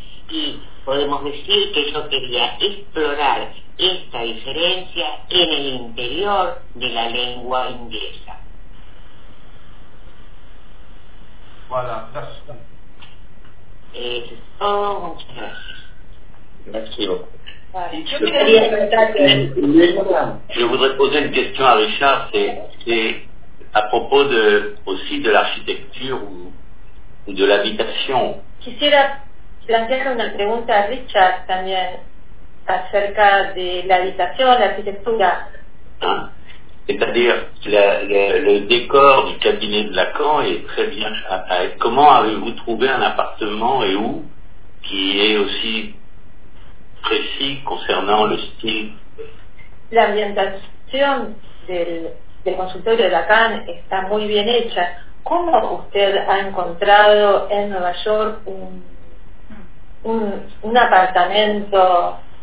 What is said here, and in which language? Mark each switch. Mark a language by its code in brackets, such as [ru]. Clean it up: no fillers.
[es] Y podemos decir que yo quería explorar esta diferencia en el interior de la lengua inglesa. [fr] Voilà, merci. Et c'est [es] todo, muchas gracias. [fr] Merci beaucoup. Je voudrais poser une question à Richard, c'est à propos de, aussi de l'architecture ou de l'habitation. [es] Quisiera plantear una pregunta a Richard también acerca de l'habitation, l'architecture. [fr] C'est-à-dire, le décor du cabinet de Lacan est très bien. Comment avez-vous trouvé un appartement et où, qui est aussi précis concernant le style? [es] L'ambientación del consultorio de Lacan está muy bien hecha. ¿Cómo usted ha encontrado en Nueva York un apartamento